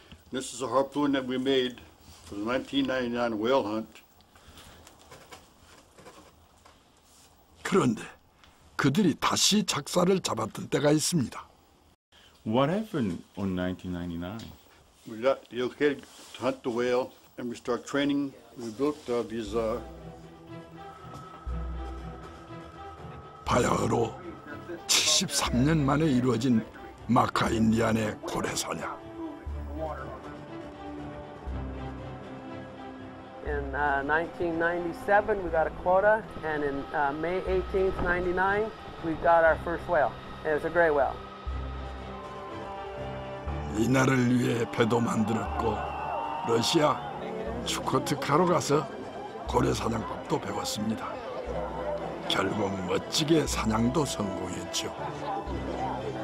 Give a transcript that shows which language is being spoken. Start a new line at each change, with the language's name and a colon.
English: This is a harpoon that we made for the 1999 whale hunt.
Korean: 그런데 그들이 다시 작살을 잡았던 때가 있습니다.
English: What happened on 1999? We got the okay to hunt the whale, and we start training. We built these
Korean: 바야흐로 73년 만에 이루어진 마카 인디안의 고래사냐.
English: In 1997, we got a quota, and in May 18th, 99, we got our first whale. It was a gray whale.
Korean: 이 날을 위해 배도 만들었고, 러시아 슈코트카로 가서 고래 사냥법도 배웠습니다. 결국 멋지게 사냥도 성공했죠.